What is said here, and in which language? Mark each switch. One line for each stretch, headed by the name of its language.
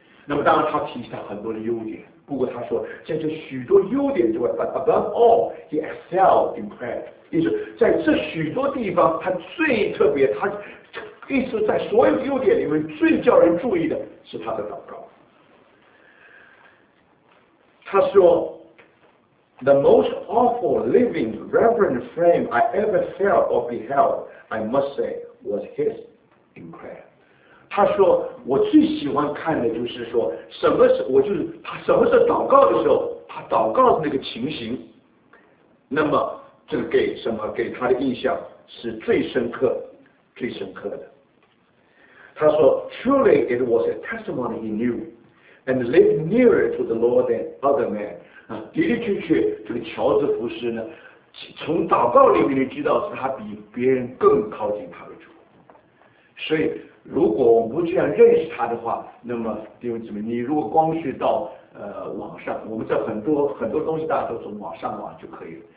Chinese: 那么当然他提起他很多的优点，不过他说在这许多优点之外，
English: but above all he excelled in prayer，
Chinese: 意思在这许多地方他最特别，他意思在所有优点里面最叫人注意的是他的祷告。他说
English: the most awful living reverent frame I ever felt or beheld I must say was his in prayer。
Chinese: 他说我最喜欢看的就是说什么时候我就是他什么时候祷告的时候他祷告的那个情形，那么这个给什么给他的印象是最深刻最深刻的。他说
English: Truly it was a testimony he knew and lived nearer to the Lord than other men。
Chinese: 的的确确这个乔治福斯呢从祷告里面就知道是他比别人更靠近他的主，所以如果我们不这样认识他的话，那么弟兄姊妹，你如果光是到网上，我们在很多很多东西大家都从网上网就可以了。